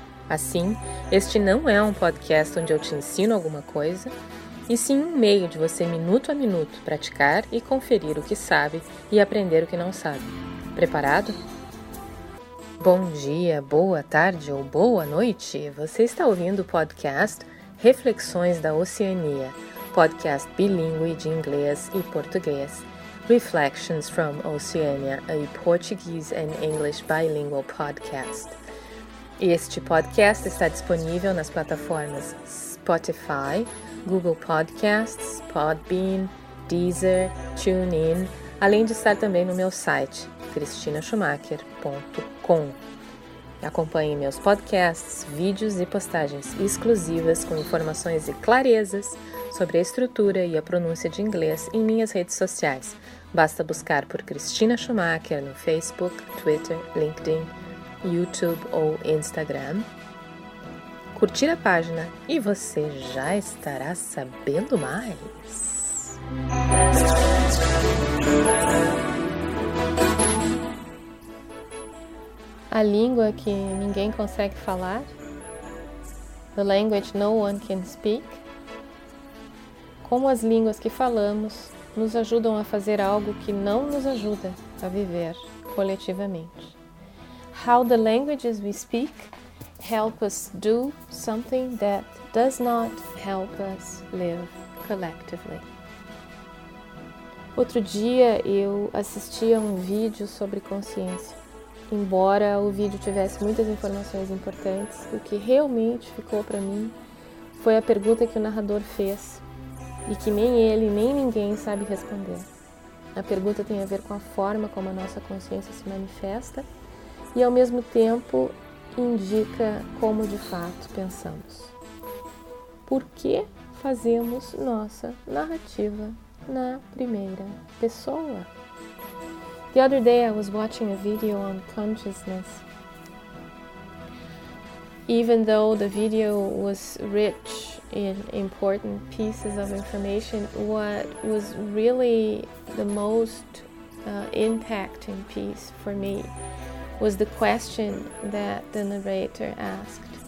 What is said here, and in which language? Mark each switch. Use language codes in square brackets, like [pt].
[pt] Assim, este não é um podcast onde eu te ensino alguma coisa, e sim um meio de você, minuto a minuto, praticar e conferir o que sabe e aprender o que não sabe. Preparado? Bom dia, boa tarde ou boa noite. Você está ouvindo o podcast Reflexões da Oceania, podcast bilíngue de inglês e português. [en] Reflections from Oceania, a Portuguese and English bilingual podcast. [pt] Este podcast está disponível nas plataformas Spotify, Google Podcasts, Podbean, Deezer, TuneIn, além de estar também no meu site, cristinaschumacher.com. Acompanhe meus podcasts, vídeos e postagens exclusivas com informações e clarezas sobre a estrutura e a pronúncia de inglês em minhas redes sociais. Basta buscar por Cristina Schumacher no Facebook, Twitter, LinkedIn, YouTube ou Instagram. Curtir a página e você já estará sabendo mais. A língua que ninguém consegue falar. [en] The language no one can speak. [pt] Como as línguas que falamos nos ajudam a fazer algo que não nos ajuda a viver coletivamente. [en] How the languages we speak help us do something that does not help us live collectively. [pt] Outro dia eu assisti a um vídeo sobre consciência. Embora o vídeo tivesse muitas informações importantes, o que realmente ficou para mim foi a pergunta que o narrador fez e que nem ele nem ninguém sabe responder. A pergunta tem a ver com a forma como a nossa consciência se manifesta e, ao mesmo tempo, indica como de fato pensamos. Por que fazemos nossa narrativa na primeira pessoa? [en] The other day I was watching a video on consciousness. Even though the video was rich in important pieces of information, what was really the most impacting piece for me was the question that the narrator asked.